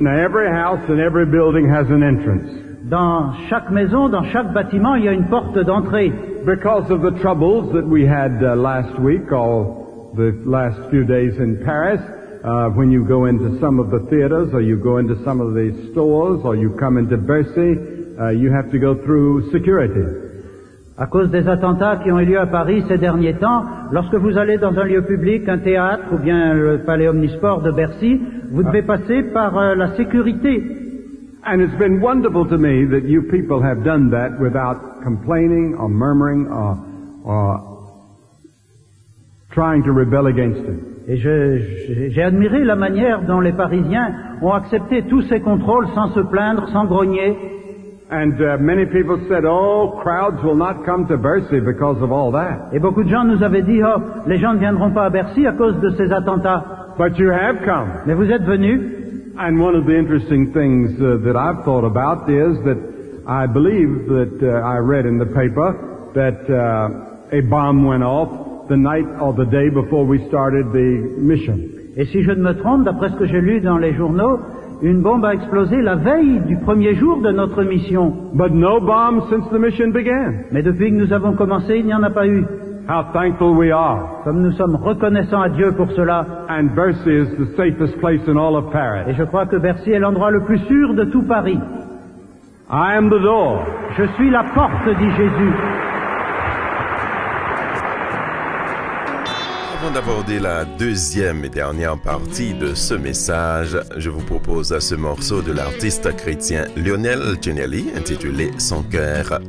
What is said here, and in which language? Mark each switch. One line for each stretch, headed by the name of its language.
English: Now every house and every building has an entrance.
French: Dans chaque maison, dans chaque bâtiment, il y a une porte d'entrée.
English: Because of the troubles that we had last week, or the last few days in Paris, when you go into some of the theaters, or you go into some of the stores, or you come into Bercy, you have to go through security.
French: À cause des attentats qui ont eu lieu à Paris ces derniers temps, lorsque vous allez dans un lieu public, un théâtre ou bien le palais Omnisports de Bercy, vous devez passer par la sécurité.
English: And it's been wonderful to me that you people have done that without complaining or murmuring or trying to rebel against it.
French: Et j'ai admiré la manière dont les Parisiens ont accepté tous ces contrôles sans se plaindre, sans grogner.
English: And many people said, oh, crowds will not come to Bercy because of all that.
French: Et beaucoup de gens nous avaient dit, oh, les gens ne viendront pas à Bercy à cause de ces attentats.
English: But you have come.
French: Mais vous êtes venus.
English: And one of the interesting things that I've thought about is that I believe that I read in the paper that a bomb went off the night or the day before we started the mission.
French: Et si je ne me trompe, d'après ce que j'ai lu dans les journaux, une bombe a explosé la veille du premier jour de notre mission.
English: But no bomb since the mission began.
French: Mais depuis que nous avons commencé, il n'y en a pas eu.
English: How thankful we are.
French: Comme nous sommes reconnaissants à Dieu pour cela.
English: And Bercy is the safest place in all of Paris.
French: Et je crois que Bercy est l'endroit le plus sûr de tout Paris.
English: I am the door.
French: Je suis la porte, dit Jésus. Avant d'aborder la deuxième et dernière partie de ce message, je vous propose ce morceau de l'artiste chrétien Lionel Ginelli intitulé « Son cœur bat ».